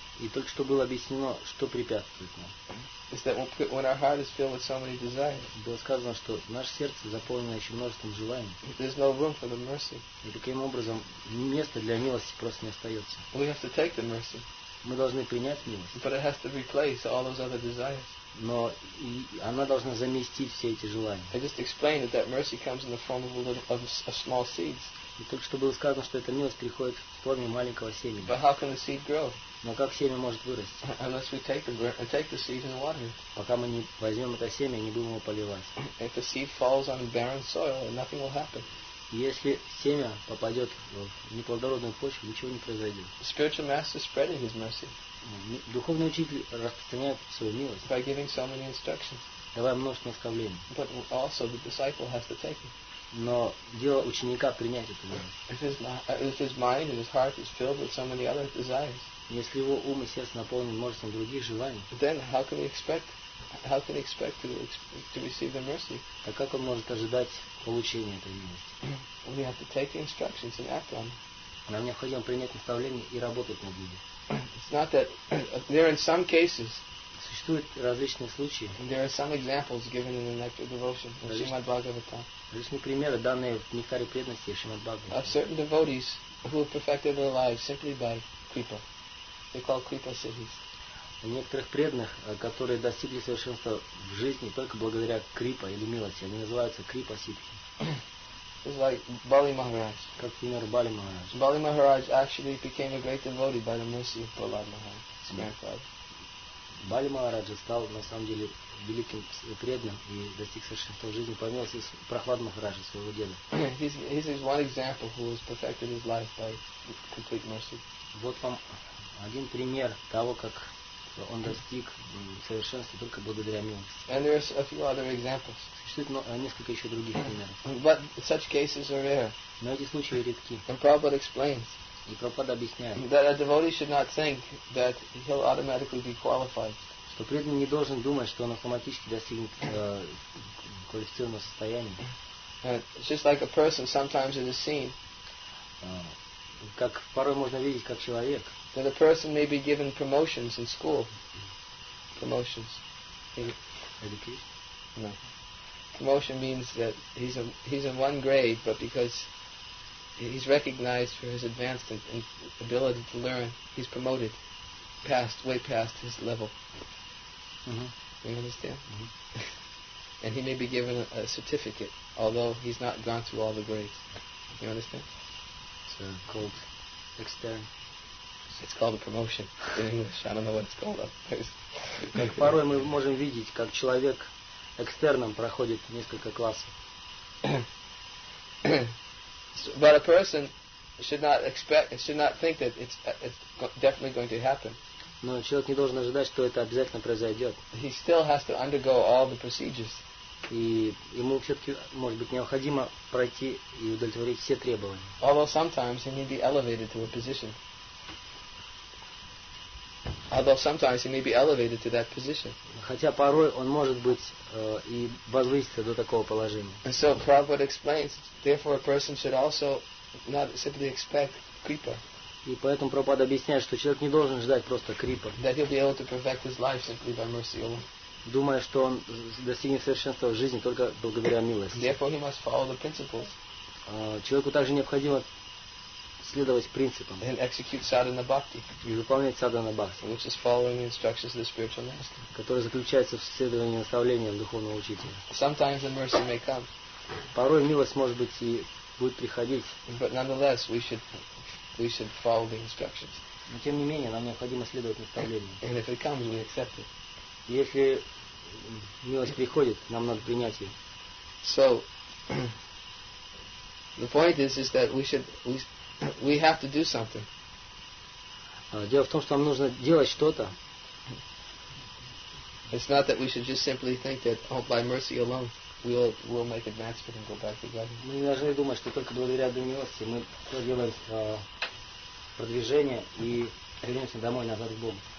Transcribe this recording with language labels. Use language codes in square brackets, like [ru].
[ru] И только что было объяснено, что препятствует нам. [en] Is that when our heart is filled with so many desires? [ru] Было сказано, что наше сердце заполнено еще множеством желаний. [en] There's no room for the mercy. [ru] И таким образом места для милости просто не остается. [en] We have to take the mercy. [ru] Мы должны принять милость. [en] But it has to replace all those other desires. [ru] Но она должна заместить все эти желания. [en] I just explained that that mercy comes in the form of small seeds. [ru] И только что было сказано, что эта милость приходит в форме маленького семени. [en] But how can the seed grow? [ru] Но как семя может вырасти? [en] Unless we take the seed and water it. [ru] Пока мы не возьмем это семя, не будем его поливать. [en] If the seed falls on barren soil, nothing will happen. [ru] Если семя попадет в неплодородную почву, ничего не произойдет. [en] Spiritual master spreading his mercy. [ru] Духовный учитель распространяет свою милость. [en] By giving so many instructions. [ru] Давая множество наставлений. [en] But also the disciple has to take it. [ru] Но дело ученика принять эту милость. [en] If his mind and his heart is filled with so many other desires. [ru] Если его ум и сердце наполнены множеством других желаний, [en] then how can we expect to receive the mercy? [ru] Так как он может ожидать получения этой милости? [en] We have to take the instructions and act on. [ru] Нам необходимо принять наставление и работать над ними. [en] It's not that there in some cases. [ru] Существуют различные случаи. [en] There are some examples given in the Nectar Devotion of Srimad Bhagavatam. [ru] Различные примеры, данные в Нектаре Преданности и Шримад Бхагаватам. [en] Of certain devotees who have perfected their lives simply by kripa. They're called kripa siddhis. [ru] У некоторых преданных, которые достигли совершенства в жизни только благодаря крипа или милости, они называются крипа сиддхи. [en] It's like Bali Maharaj. [ru] Как пример Бали Махарадж. [en] Bali Maharaj actually became a great devotee by the mercy of Prahlad Maharaj, his grandfather. [ru] Бали Махарадж стал на самом деле великим преданным и достиг совершенства в жизни по милости Прахлад Махараджа, своего деда. [en] He's one example who has perfected his life by complete mercy. [ru] Вот вам один пример того, как он достиг совершенства только благодаря милости. [en] And there's a few other examples. [ru] Существует несколько еще других примеров. [en] But such cases are rare. [ru] Но эти случаи редки. [en] And Prabhupada explains. [ru] И Прабхупада объясняет. [en] That a devotee should not think that he'll automatically be qualified. [ru] Что преданный не должен думать, что он автоматически достигнет квалифицированного состояния. [en] It's just like a person sometimes in a scene. [ru] Как порой можно видеть, как человек. [en] That a person may be given promotions in school. Promotions. Education? No. Promotion means that he's in one grade, but because he's recognized for his advanced and ability to learn, he's promoted past, way past his level. Mm-hmm. You understand? Mm-hmm. And he may be given a certificate, although he's not gone through all the grades. You understand? So called extern. It's called a promotion in English. I don't know what it's called. [ru] Как порой мы можем видеть, как человек экстерном проходит несколько классов. [en] But a person should not think that it's definitely going to happen. [ru] Но человек не должен ожидать, что это обязательно произойдет. [en] He still has to undergo all the procedures. [ru] И ему все-таки, может быть, необходимо пройти и удовлетворить все требования. [en] Although sometimes he may be elevated to a position. Although sometimes he may be elevated to that position. [ru] Хотя порой он может быть и возвыситься до такого положения. [en] And so Prabhupada explains, therefore a person should also not simply expect kripa. [ru] И поэтому Прабхупада объясняет, что человек не должен ждать просто крипа. [en] That he'll be able to perfect his life simply by mercy alone. [ru] Думая, что он достигнет совершенства в жизни только благодаря милости. [en] Therefore he must follow the principles. [ru] Человеку также необходимо следовать принципам. [en] And execute sadhana bhakti. [ru] И выполнять sadhana bhakti. [en] Which is following the instructions of the spiritual master. [ru] Которое заключается в следовании наставлениям духовного учителя. [en] Sometimes the mercy may come. [ru] Порой милость может быть и будет приходить. [en] But nonetheless we should follow the instructions. [ru] Но тем не менее нам необходимо следовать наставлениям. [en] And if it comes, we accept it. [ru] Если милость приходит, нам надо принять ее. [en] So The point is that we have to do something. [ru] Дело в том, что нам нужно делать что-то. [en] It's not that we should just simply think that by mercy alone we'll make advancement and go back to God. [ru] Мы должны думать, что только благодаря милости мы проделаем продвижение и вернемся домой назад к Богу.